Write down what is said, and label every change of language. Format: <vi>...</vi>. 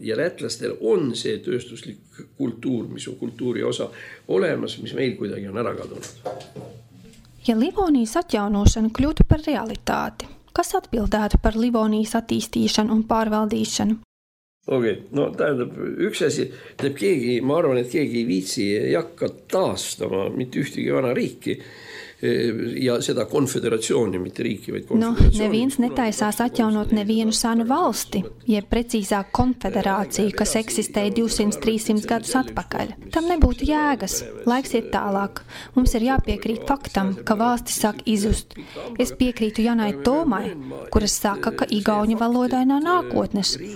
<et>Ja lätlastel on see tööstuslik kultuur, mis on kultuuri osa olemas, mis meil kuidagi on ära kadunud.</et> <lv>Ja Livonijas atjaunošana kļūtu par realitāti, kas atbildētu par Livonijas attīstīšanu un pārvaldīšanu?</lv> <et>Okei, okay. No tähendab, üks asi, teeb keegi, ma arvan, et keegi ei viitsi jakka taastama mitte ühtegi vana riiki, ja seda konfederatsiooni, mitte riiki, vaid konfederatsiooni.</et> <lv>No, neviens netaisās atjaunot nevienu sanu valsti, ja precīzāk konfederāciju, kas eksistēja 200-300 gadus atpakaļ. Tam nebūtu jēgas. Laiks iet tālāk. Mums ir jāpiekrīt faktam, ka valsti sāk izust. Es piekrītu Janai Tomai, kuras saka, ka igauņu valodai nav nākotnes.</lv>